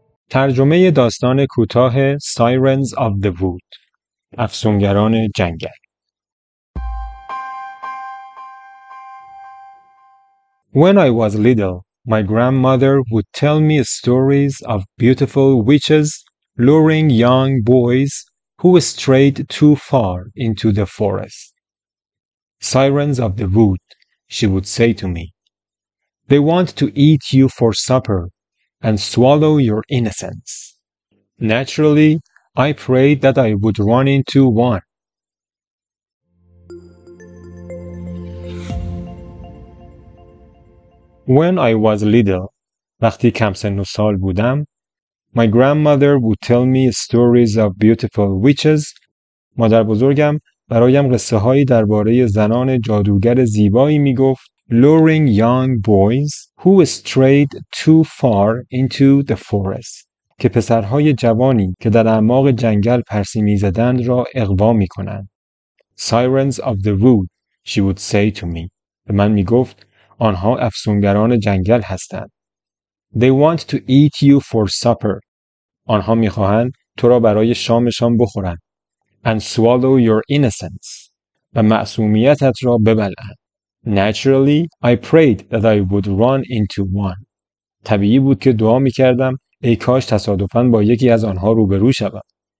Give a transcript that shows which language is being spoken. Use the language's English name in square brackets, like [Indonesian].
[Persian] ترجمه داستان کوتاه Sirens of the Wood، افسونگران جنگل. [English] When I was little, my grandmother would tell me stories of beautiful witches luring young boys who strayed too far into the forest. Sirens of the Wood, she would say to me. They want to eat you for supper and swallow your innocence. Naturally, I prayed that I would run into one. When I was little, [Persian] وقتی کم سن و سال بودم, [English] my grandmother would tell me stories of beautiful witches. [Persian] مادر بزرگم برایم قصه هایی درباره زنان جادوگر زیبایی می گفت, [English] luring young boys who strayed too far into the forest, [Persian] که پسرهای جوانی که در اعماق جنگل پرسی می زدند را اغوا می کنند. [English] Sirens of the wood, she would say to me. [Persian] به من می گفت, آنها افسونگران جنگل هستند. [English] They want to eat you for supper. [Persian] آنها می خواهند تو را برای شامشان بخورند. [English] And swallow your innocence. [Persian] و معصومیتت را ببلعند. [English] Naturally, I prayed that I would run into one. [Persian] طبیعی بود که دعا می کردم ای کاش تصادفاً با یکی از آنها روبرو شدم.